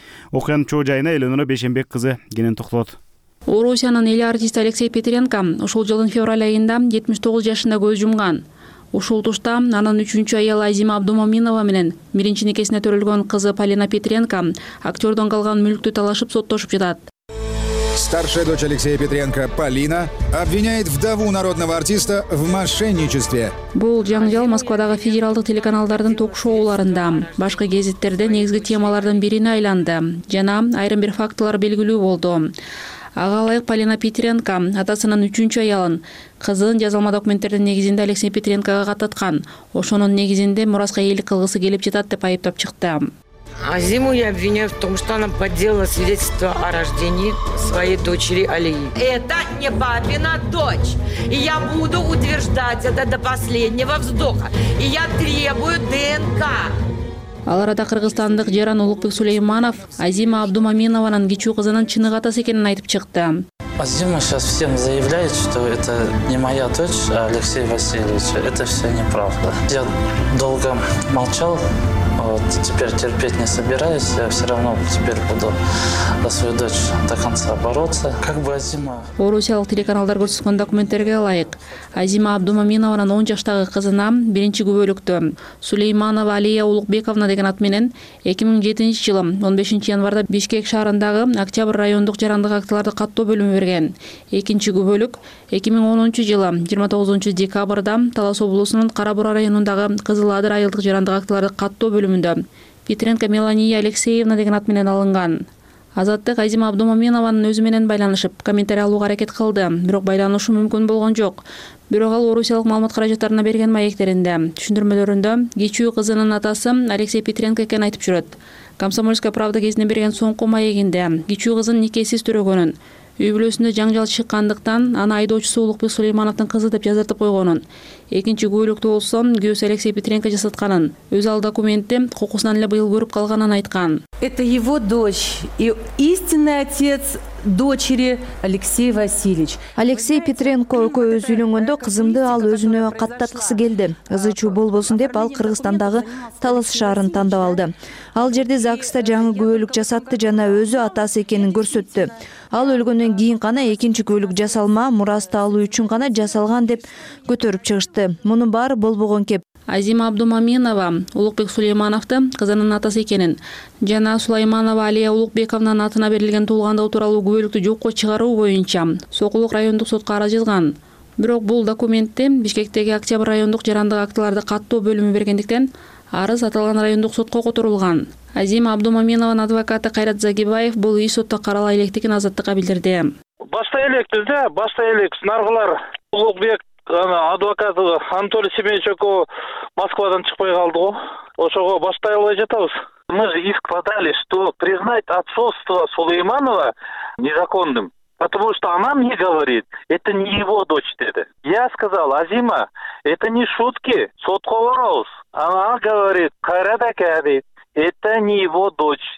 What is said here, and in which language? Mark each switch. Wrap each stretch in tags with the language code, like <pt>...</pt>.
<ky>Окуянын чоо жайына Эленора Бейшенбек кызы кенен токтолот. Орусиянын эл артисти Алексей Петренко ушул жылдын февраль айында 79 жашында көз жумган. Ушул тушта анын үчүнчү аялы Азима Абдумаминова менен биринчи никесине төрөлгөн кызы Полина Петренко актердон калган мүлктү талашып соттошуп жатат.</ky> <ru>Старшая дочь Алексея Петренко, Полина, обвиняет вдову народного артиста в мошенничестве.</ru> <ky>Бул жаңжал Москвадагы федералдык телеканалдардын ток-шоуларында, башка гезиттерде негизги темалардын бирине айланды жана айрым бир фактылар белгилүү болду. Ага ылайык Полина Петренко атасынын үчүнчү аялын кызын жазылма документтердин негизинде Алексей Петренкого кататкан, ошонун негизинде мураска ээлик кылгысы келип жатат деп айыптап чыкты.</ky> <ru>Азиму я обвиняю в том, что она подделала свидетельство о рождении своей дочери Алии. Это не папина дочь. И я буду утверждать это до последнего вздоха. И я требую ДНК.</ru> <ky>Ал арада кыргызстандык Жаран Улукбек Сулейманов Азима Абдумаминованын кичүү кызынын чыныгы атасы экенин айтып чыкты.</ky> <ru>Азима сейчас всем заявляет, что это не моя дочь, а Алексей Васильевич. Это все неправда. Я долго молчал, вот теперь терпеть не собираюсь. Я все равно теперь буду за свою дочь до конца бороться. Как бы Азима...</ru> <ky>Орусиялык телеканалдар көрсөткөн документтерге ылайык, Азима Абдумаминованын 10 жаштагы кызына биринчи күбөлүктө Сулейманова Алия Улукбековна деген ат менен 2007 жылы 15 январда Бишкек шаарындагы Октябрь райондук жарандык актыларды каттоо бөлүмү берген. Экинчи күбөлүк 2010 жылы 29 декабрда Талас облусунун Кара Бура районундагы Кызыл Адыр айылдык жарандык актыларды каттоо бөлүмүндө Петренко Мелания Алексеевна деген ат менен алынган. Азаттык Азима Абдумаминованын өзү менен байланышып, комментарий алууга аракет кылды, бирок байланышуу мүмкүн болгон жок. Бирок ал орусиялык маалымат каражаттарына берген маектеринде, түшүндүрмөлөрүндө кичүү кызынын атасы Алексей Петренко экен айтып жүрөт. Комсомольская правда гезине берген соңку маегинде кичүү кызын никесиз төрөгөнүн, үй бүлөсүндө жаңжал чыккандыктан аны айдоочусу Улукбек Сулеймановдун кызы деп жазартып койгонун, экинчи күбөлүктүү болсо күйөөсү Алексей Петренко жасатканын, өзү ал документти кокусунан эле быйыл көрүп калганын айткан.</ky> <ru>Это его дочь и истинный отец дочери Алексей Васильевич.</ru> <ky>Алексей Петренко өкөйбүз үйлөнгөндө кызымды ал өзүнө каттаткысы келди. Кызычуу болбосун деп ал Кыргызстандагы Талас шаарын тандап алды. Ал жерде ЗАГСта жаңы күбөлүк жасатты жана өзү атасы экенин көрсөттү. Ал өлгөндөн кийин гана экинчи күбөлүк жасалма, мурасты алуу үчүн гана жасалган деп көтөрүп чыгышты. Мунун баары болбогон кеп. Азима Абдумаминова Улукбек Сулеймановду кызынын атасы экенин жана Сулайманова Алия Улукбековнанын атына берилген туулгандыгы тууралуу күбөлүктү жокко чыгаруу боюнча Сокулук райондук сотко арыз жазган. Бирок бул документти Бишкектеги Октябрь райондук жарандык актыларды каттоо бөлүмү бергендиктен арыз аталган райондук сотко которулган. Азима Абдумаминованын адвокаты Кайрат Загибаев бул иш сотто карала электигин азаттыкка билдирди. Башта электиз да, башта элек Снаргылар Улукбек адвокаты Анатолий Семенович экөө Москвадан чыкпай калды го. Ошого баштай албай жатабыз.</ky> <ru>Мы же иск подали, что признать отцовство Сулейманова незаконным. Потому что она мне говорит, это не его дочь,</ru> <ky>деди.</ky> <ru>Я сказал, Азима, это не шутки,</ru> <ky>сотко барабыз.</ky> <ru>Она говорит, Кайрат ака, это не его дочь.</ru>